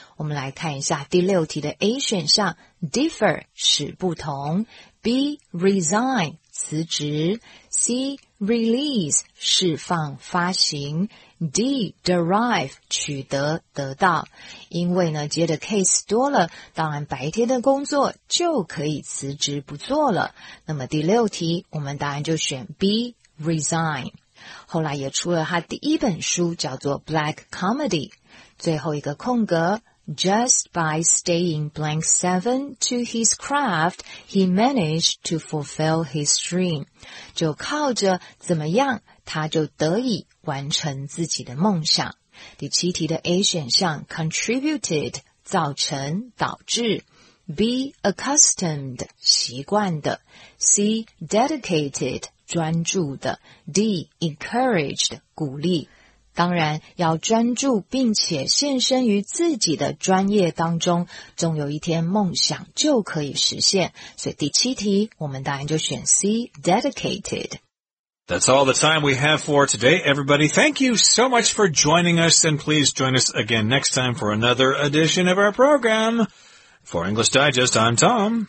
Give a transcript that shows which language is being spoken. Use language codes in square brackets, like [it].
[zh] 我们来看一下第六题的 A 选项 differ 使不同 ，B resign 辞职 ，C release 释放发行 ，D derive 取得得到。因为呢接的 case 多了，当然白天的工作就可以辞职不做了。那么第六题我们答案就选 B resign。后来也出了他第一本书叫做 Black Comedy。最后一个空格 [en] Just by staying blank seven to his craft he managed to fulfill his dream， [zh] 就靠着怎么样他就得以完成自己的梦想。第七题的 A 选项 contributed 造成导致 B accustomed 习惯的 C dedicated专注的 ，D encouraged 鼓励，当然要专注并且献身于自己的专业当中，总有一天梦想就可以实现。所以第七题，我们答案就选 C dedicated。 [en] That's all the time we have for today, everybody. Thank you so much for joining us, and please join us again next time for another edition of our program. For English Digest, I'm Tom.